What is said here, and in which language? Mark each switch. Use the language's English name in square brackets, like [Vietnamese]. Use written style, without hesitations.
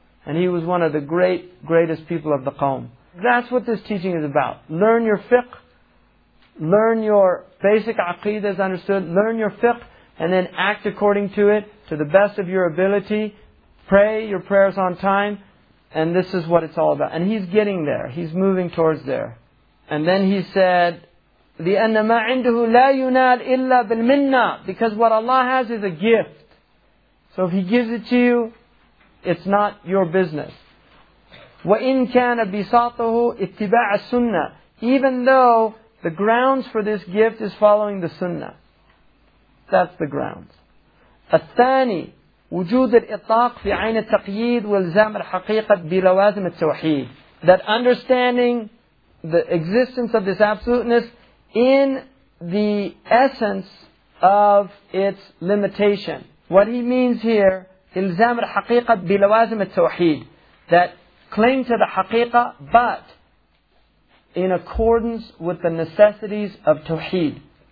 [English] And he was one of the great, greatest people of the Qawm. That's what this teaching is about. Learn your fiqh. Learn your basic aqidah as understood. Learn your fiqh and then act according to it to the best of your ability. Pray your prayers on time. And this is what it's all about. And he's getting there. He's moving towards there. And then he said, [Arabic] لِأَنَّ مَا عِنْدُهُ لَا يُنَالْ إِلَّا بِالْمِنَّةِ. [English] Because what Allah has is a gift. So if He gives it to you, it's not your business. [Arabic] وَإِنْ كَانَ بِسَاطُهُ اتِّبَاعَ السُنَّةِ. [English] Even though the grounds for this gift is following the sunnah. That's the grounds. [Arabic] الثاني وجود الإطاق في عين التقييد والزام الحقيقة بلوازم التوحيد. [English] That understanding the existence of this absoluteness in the essence of its limitation. What he means here, [Arabic] إلزام الحقيقة بلوازم التوحيد, [English] that cling to the حقيقة but in accordance with the necessities of Tawheed.